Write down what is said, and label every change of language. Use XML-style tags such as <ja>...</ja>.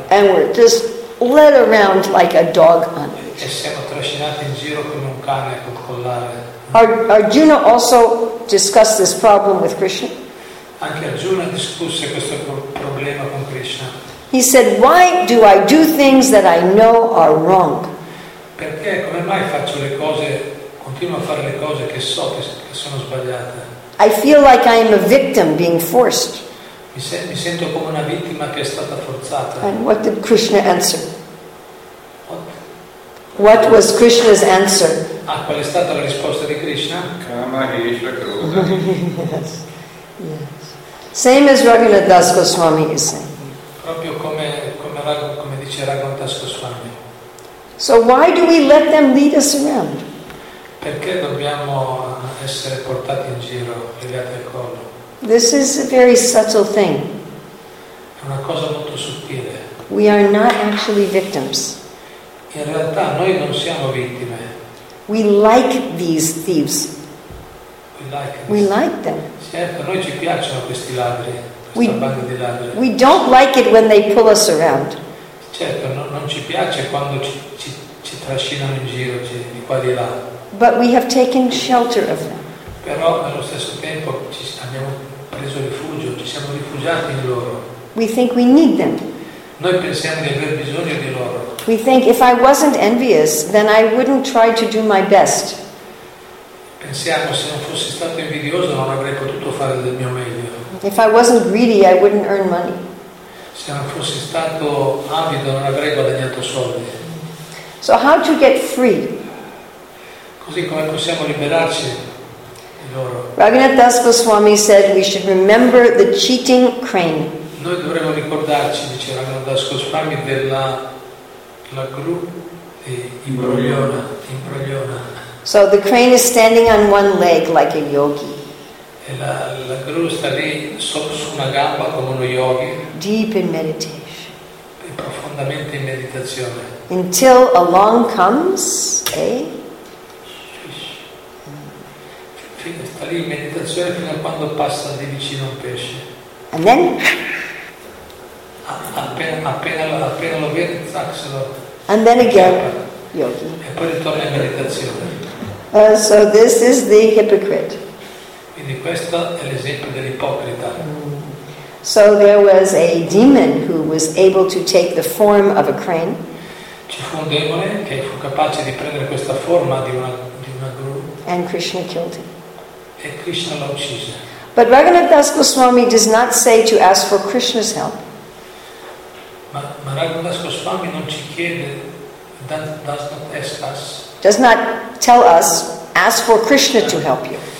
<en>And we're just led around like a dog on it.</en> <it>E siamo trascinati in giro come un cane col collare.</it> <en>Arjuna also discussed this problem with Krishna.</en> <it>Anche Arjuna discusse questo problema con Krishna.</it> <en>He said, "Why do I do things that I know are wrong?"</en> <it>Perché come mai faccio le cose, continuo a fare le cose che so che sono sbagliate?</it> <en>I feel like I am a victim being forced. Mi sento come una vittima che è stata forzata. And what did Krishna answer? What was Krishna's answer?</en> <it>Ah, qual è stata la risposta di Krishna?</it> <sa>Kama Hisha Krodha.</sa> <en>Yes. Same as Raghunath Das Goswami is saying.</en> <it>Proprio come dice Raghunath Das Goswami.</it> <en>So why do we let them lead us around?</en> <it>Perché dobbiamo essere portati in giro, legati al collo?</it> <en>This is a very subtle thing.</en> <it>Una cosa molto sottile.</it> <en>We are not actually victims.</en> <it>In realtà noi non siamo vittime.</it> <en>We like these thieves. We like them. We like them.</en> <it>Certo, noi ci piacciono questi ladri, questa banda di ladri.</it> <en>We don't like it when they pull us around.</en> <it>Certo, non ci piace quando ci trascinano in giro, di qua di là.</it> <en>But we have taken shelter of them.</en> <it>Però allo stesso tempo ci abbiamo preso rifugio, ci siamo rifugiati in loro.</it> <en>We think we need them.</en> <it>Noi pensiamo di aver bisogno di loro.</it> <en>We think if I wasn't envious, then I wouldn't try to do my best.</en> <it>Pensiamo se non fossi stato invidioso non avrei potuto fare del mio meglio.</it> <en>If I wasn't greedy, I wouldn't earn money.</en> <it>Se non fossi stato avido non avrei guadagnato soldi.</it> <en>So how to get free?</en> <it>Così come possiamo liberarci?</it> <en>Raghunath Das Goswami said we should remember the cheating crane.</en> <it>Noi dovremmo ricordarci, dice Raghunath Das Goswami, della gru di imbrogliona.</it> <en>So the crane is standing on one leg like a yogi.</en> <it>E la gru sta lì solo su una gamba come uno yogi.</it> <en>Deep in meditation.</en> <it>E profondamente in meditazione.</it> <en>Until along comes a</en> <it>sta lì in meditazione fino a quando passa di vicino un pesce.</it> <en>And then</en> <it>appena lo vede, se lo.</it> <en>And then again, yogi.</en> <it>E poi ritorna in meditazione.</it> <en>So this is the hypocrite.</en> <it>Quindi questo è l'esempio dell'ipocrita.</it> <en>So there was a demon who was able to take the form of a crane.</en> <it>Ci fu un demone che fu capace di prendere questa forma di una gru.</it> <en>And Krishna killed him.</en> <it>E Krishna l'ha ucciso.</it> <en>But Raghunath Das Goswami does not say to ask for Krishna's help.</en> <it>Ma Raghunath Das Goswami non ci chiede,</it> <en>does not ask us. Does not tell us, ask for Krishna to help you.</en>